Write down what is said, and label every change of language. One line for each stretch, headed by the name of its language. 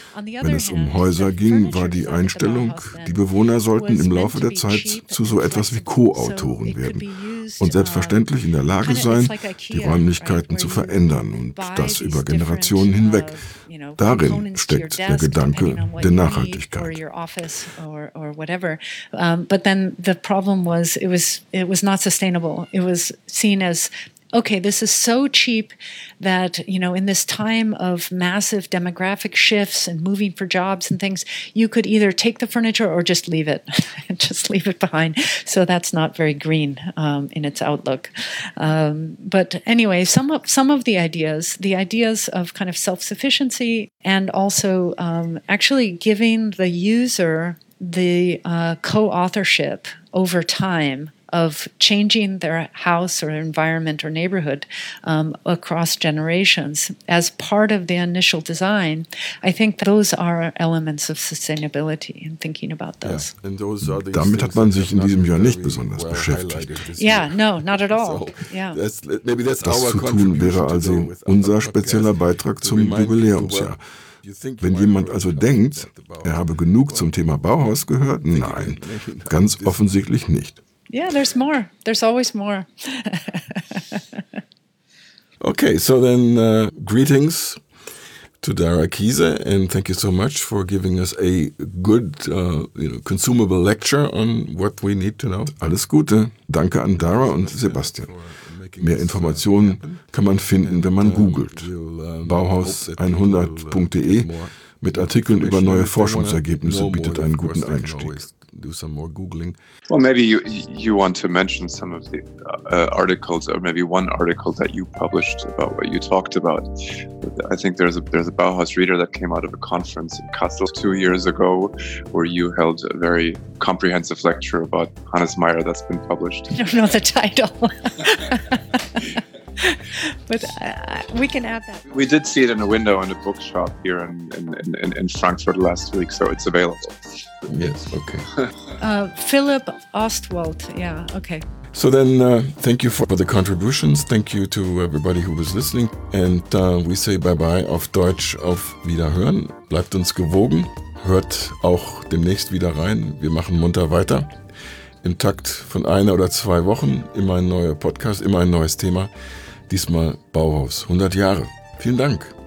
German: Wenn es um Häuser ging, war die Einstellung, die Bewohner sollten im Laufe der Zeit zu so etwas wie Co-Autoren werden und selbstverständlich in der Lage sein, die Räumlichkeiten zu verändern und das über Generationen hinweg. Darin steckt der Gedanke der Nachhaltigkeit.
English: But then the problem was, it was not sustainable. It was seen as, okay, this is so cheap that, you know, in this time of massive demographic shifts and moving for jobs and things, you could either take the furniture or just leave it, just leave it behind. So that's not very green in its outlook. But anyway, some of the ideas of kind of self-sufficiency and also actually giving the user the co-authorship over time of changing their house or environment or neighborhood across generations as part of the initial design, I think those are elements of sustainability in thinking about those. Yeah. And those are the
German: Damit hat man sich in diesem Jahr nicht besonders beschäftigt.
English: Yeah, no, not at all. Yeah.
German: Das zu tun wäre also unser spezieller Beitrag zum Jubiläumsjahr. Wenn jemand also denkt, er habe genug zum Thema Bauhaus gehört, nein, ganz offensichtlich nicht.
English: Yeah, there's more. There's always more. Okay, so then greetings to Dara Kiese, and thank you so much for giving us a good, consumable lecture on what we need to know.
German: Alles Gute. Danke an Dara und Sebastian. Mehr Informationen kann man finden, wenn man googelt. Bauhaus100.de mit Artikeln über neue Forschungsergebnisse bietet einen guten Einstieg.
English: do some more Googling. Well, maybe you want to mention some of the articles, or maybe one article that you published about what you talked about. I think there's a Bauhaus reader that came out of a conference in Kassel 2 years ago, where you held a very comprehensive lecture about Hannes Meyer that's been published. I don't know the title. But we can add that. We did see it in a window in a bookshop here in Frankfurt last week, so it's available. Yes, okay. Philip Ostwald, yeah, okay. So then thank you for the contributions. Thank you to everybody who was listening. And we say bye-bye
German: auf Deutsch, auf Wiederhören. Bleibt uns gewogen. Hört auch demnächst wieder rein. Wir machen munter weiter. Im Takt von einer oder zwei Wochen immer ein neuer Podcast, immer ein neues Thema. Diesmal Bauhaus, 100 Jahre. Vielen Dank.